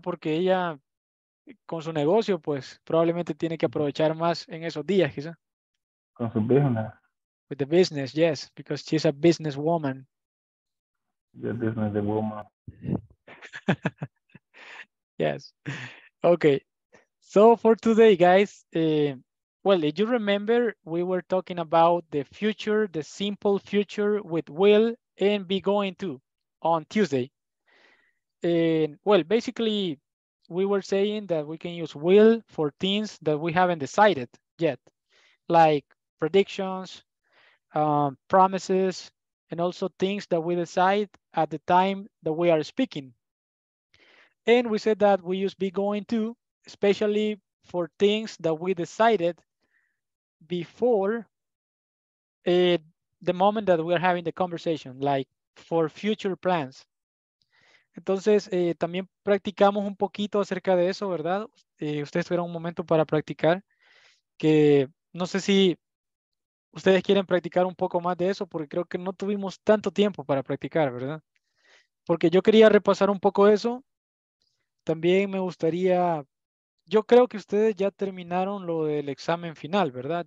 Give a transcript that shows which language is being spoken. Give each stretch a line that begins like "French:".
Spanish: Porque ella, con su negocio, pues, probablemente tiene que aprovechar más en esos días, quizá. Con su business.
English: With the business, yes, because she's a business woman. The business woman. Yes. Okay. So, for today, guys, did you remember we were talking about the future, the simple future with Will? And be going to on Tuesday. And well, basically, we were saying that we can use will for things that we haven't decided yet, like predictions, promises, and also things that we decide at the time that we are speaking. And we said that we use be going to, especially for things that we decided before it. The moment that we are having the conversation, like for future plans.
Spanish: Entonces, también practicamos un poquito acerca de eso, ¿verdad? Ustedes tuvieron un momento para practicar, que no sé si ustedes quieren practicar un poco más de eso, porque creo que no tuvimos tanto tiempo para practicar, ¿verdad? Porque yo quería repasar un poco eso. También me gustaría, yo creo que ustedes ya terminaron lo del examen final, ¿verdad?